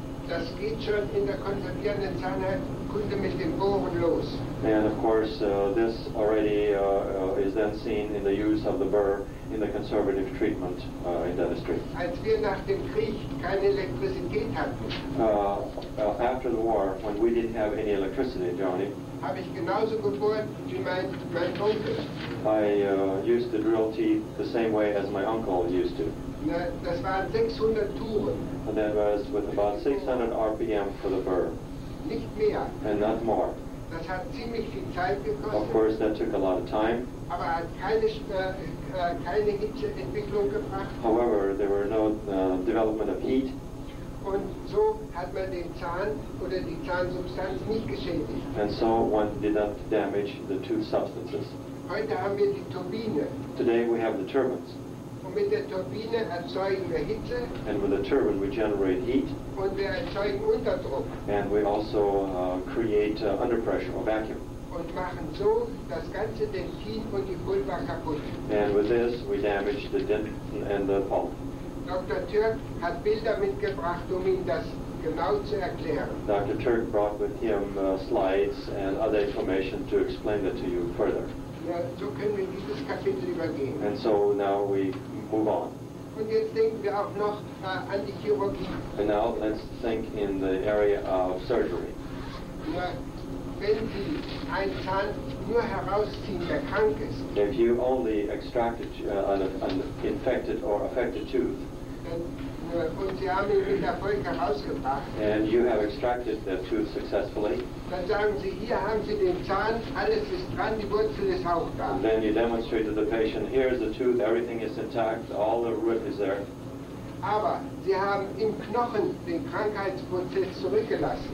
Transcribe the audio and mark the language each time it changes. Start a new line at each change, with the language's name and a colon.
German: das geht schon in der konservierenden Zahnheit, könnte mit dem Bohren los.
English: And of course, this already is then seen in the use of the burr in the conservative treatment in dentistry.
German: Als wir nach dem Krieg keine Elektrizität hatten,
English: after the war, when we didn't have any electricity, Johnny,
German: habe ich genauso gebohrt wie mein Onkel.
English: I used to drill teeth the same way as my uncle used to.
German: Das waren 600 Touren.
English: And that was with about 600 RPM for the burr.
German: Nicht mehr.
English: And not more.
German: Das hat ziemlich viel Zeit gekostet.
English: Of course, that took a lot of time.
German: Aber hat keine Hitzeentwicklung gebracht.
English: However, there were no development of heat.
German: Und so hat man den Zahn oder die Zahnsubstanz nicht geschädigt.
English: And so one did not damage the tooth substances.
German: Heute haben wir die Turbine.
English: Today we have the turbines.
German: Und mit der Turbine erzeugen wir Hitze.
English: And with the turbine we generate heat.
German: Und wir erzeugen Unterdruck.
English: And we also create under pressure or vacuum.
German: Und machen so das ganze Dentin und die Pulpa kaputt.
English: And with this we damage the dentin and the pulp.
German: Dr. Türk hat Bilder mitgebracht, um Ihnen das genau zu erklären.
English: Dr. Türk brought with him slides and other information to explain it to you further.
German: Ja, so können wir dieses Kapitel übergehen.
English: And so now we move on.
German: Und jetzt denken wir auch noch an die Chirurgie.
English: And now let's think in the area of surgery.
German: Ja, wenn Sie einen Zahn nur herausziehen, der krank ist.
English: If you only extracted an infected or affected tooth.
German: Und Sie haben ihn mit Erfolg herausgebracht.
English: And you have extracted the tooth successfully.
German: Dann sagen Sie, hier haben Sie den Zahn, alles ist dran, die Wurzel ist auch da.
English: Then you demonstrate to the patient, here is the tooth, everything is intact, all the root is there.
German: Aber Sie haben im Knochen den Krankheitsprozess zurückgelassen.